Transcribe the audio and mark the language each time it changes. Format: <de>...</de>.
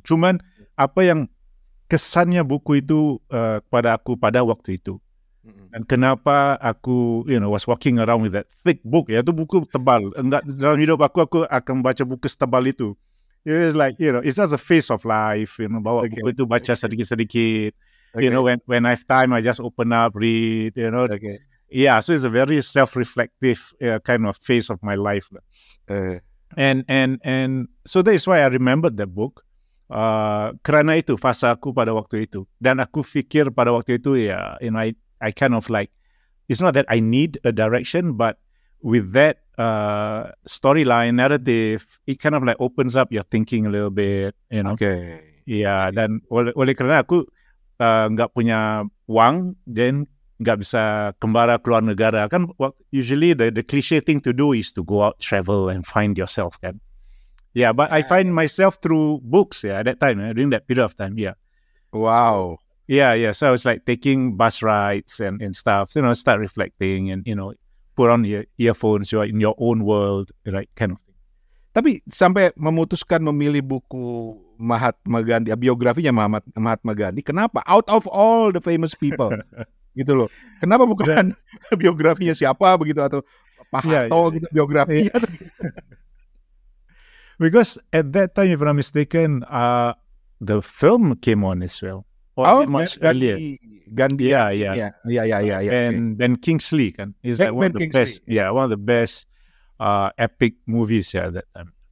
<ms>Cuman apa yang kesannya buku itu kepada aku pada waktu itu. Dan kenapa aku,</ms> <en>you know, was walking around with that thick book,</en> <ms>ya itu buku tebal. Enggak, dalam hidup aku akan baca buku setebal itu.</ms> <en>It's like, you know, it's just a phase of life, you know,</en> <ms>bawa buku itu baca sedikit-sedikit.</ms> <en>Okay. You know, when I have time, I just open up, read, you know. Okay. Yeah, so it's a very self-reflective kind of phase of my life. And so that is why I remembered that book.</en> <ms>Kerana itu, fasa aku pada waktu itu. Dan aku fikir pada waktu itu,</ms> <en>yeah, you know, I kind of like, it's not that I need a direction, but with that storyline, narrative, it kind of like opens up your thinking a little bit, you know. Okay.</en> <ms>Yeah, dan oleh kerana aku enggak punya wang, then enggak bisa kembara keluar negara.</ms> <en>Kan usually the cliche thing to do is to go out, travel, and find yourself, kan? Yeah, but I find myself through books, yeah, at that time, during that period of time, yeah. Wow. Yeah, yeah. So I was like taking bus rides and stuff, so, you know, start reflecting and, you know, put on your earphones, you're in your own world, right, kind of thing.</en> <id>Tapi sampai memutuskan memilih buku Mahatma Gandhi, biografinya Mahatma Gandhi, kenapa?</id> <en>Out of all the famous people, gitu loh.</en> <id>Kenapa bukan dan, biografinya siapa begitu, atau Pak Hatto gitu, biografinya.</id> <en>Yeah. Because at that time, if I'm not mistaken, the film came on as well. Or is it much Gandhi, earlier? Gandhi. Yeah, yeah. Yeah. And Ben Kingsley, kan? He's like one of the best. Yeah, one of the best epic movies at that time.</en>